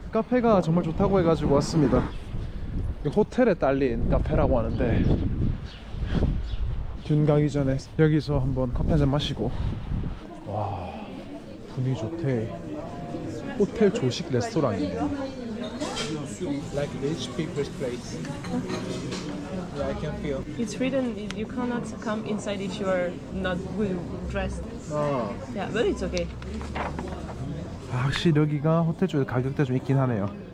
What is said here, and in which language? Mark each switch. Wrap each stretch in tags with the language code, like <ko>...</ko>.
<ko>카페가 정말 좋다고 해가지고 왔습니다. 호텔에 딸린 카페라고 하는데, 듄 가기 전에 여기서 한번 커피 한잔 마시고. 와, 분위기 좋대. 호텔 조식 레스토랑이네요.</ko> <en>Like rich people's place. Yeah, I can feel. It's written you cannot come inside if you are not well dressed. Yeah, but it's okay.</en> <ko>확실히 여기가 호텔 쪽에 가격대 좀 있긴 하네요.</ko>